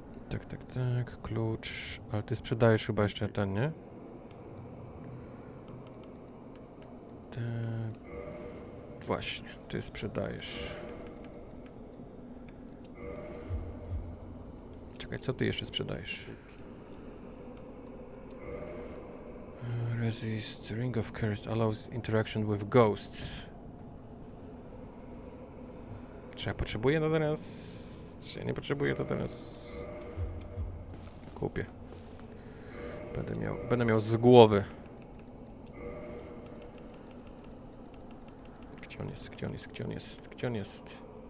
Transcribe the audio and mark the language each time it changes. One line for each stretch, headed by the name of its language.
Polish: Tak, tak, tak, klucz. Ale ty sprzedajesz chyba jeszcze ten, nie? Właśnie, ty sprzedajesz. Co ty jeszcze sprzedajesz?
English: Resist Ring of Curse allows interaction with ghosts.
Polish: Czy ja potrzebuję to teraz? Czy ja nie potrzebuję to teraz? Kupię. Będę miał z głowy. Gdzie on jest? Gdzie on jest? Gdzie on jest? Gdzie on jest?